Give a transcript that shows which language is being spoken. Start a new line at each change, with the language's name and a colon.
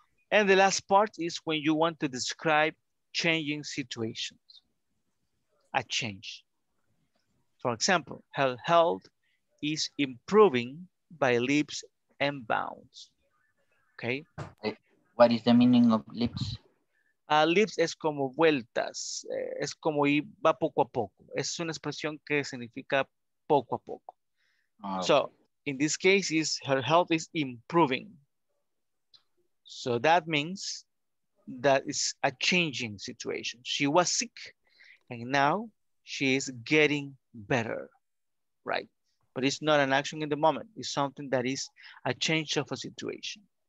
English: And the last part is when you want to describe changing situations, a change. For example, her health is improving by leaps and bounds. Okay. What is the meaning of leaps?
Spanish: Leaps es como vueltas, es como y va poco a poco. Es una expresión que significa poco a poco.
English: So in this case, is her health is improving. So that means that it's a changing situation. She was sick and now she is getting better, right? But it's not an action in the moment. It's something that is a change of a situation.